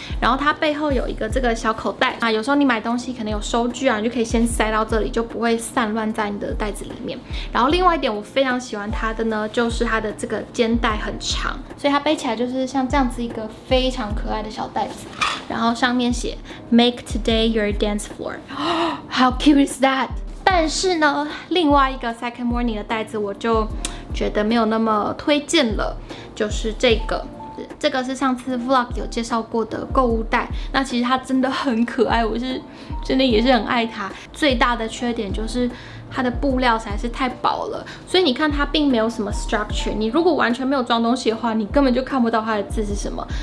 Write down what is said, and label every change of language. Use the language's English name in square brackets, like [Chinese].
[Chinese] 然后它背后有一个这个小口袋啊，有时候你买东西可能有收据啊，你就可以先塞到这里，就不会散乱在你的袋子里面。然后另外一点我非常喜欢它的呢，就是它的这个肩带很长，所以它背起来就是像这样子一个非常可爱的小袋子。然后上面写 [English] Make today your dance floor， How cute is that？ [Chinese] 但是呢，另外一个 Second Morning 的袋子我就觉得没有那么推荐了，就是这个。这个是上次 vlog 有介绍过的购物袋，那其实它真的很可爱，我是真的也是很爱它。最大的缺点就是它的布料实在是太薄了，所以你看它并没有什么 structure， 你如果完全没有装东西的话，你根本就看不到它的字是什么。